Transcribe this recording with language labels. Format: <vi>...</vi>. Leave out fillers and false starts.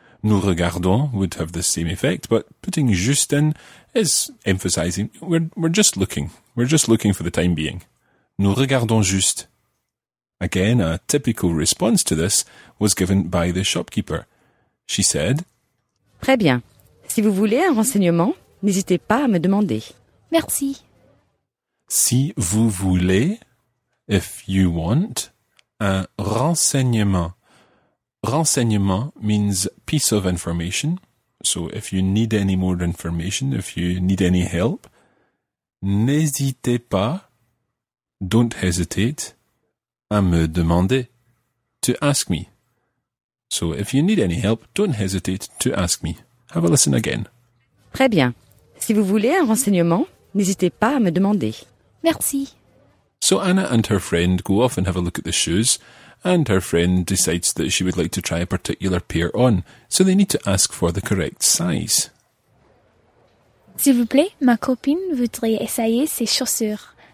<fr>Nous regardons</fr> <en>would have the same effect, but putting</en> <fr>juste</fr> <en>in is emphasizing, we're just looking. We're just looking for the time being.</en> <fr>Nous regardons juste.</fr> <en>Again, a typical response to this was given by the shopkeeper. She said,</en> <fr>très bien. Si vous voulez un renseignement, n'hésitez pas à me demander. Merci. Si vous voulez,</fr> <en>if you want,</en> <fr>un renseignement.</fr> <en>Renseignement means piece of information. So if you need any more information, if you need any help,</en> <fr>n'hésitez pas,</fr> <en>don't hesitate,</en> <fr>à me demander,</fr> <en>to ask me. So if you need any help, don't hesitate to ask me. Have a listen again.</en> <fr>Très bien. Si vous voulez un renseignement, n'hésitez pas à me demander. Merci.</fr> <en>So Anna and her friend go off and have a look at the shoes, and her friend decides that she would like to try a particular pair on, so they need to ask for the correct size.</en> <fr>S'il vous plaît, ma copine voudrait essayer ces chaussures.</fr>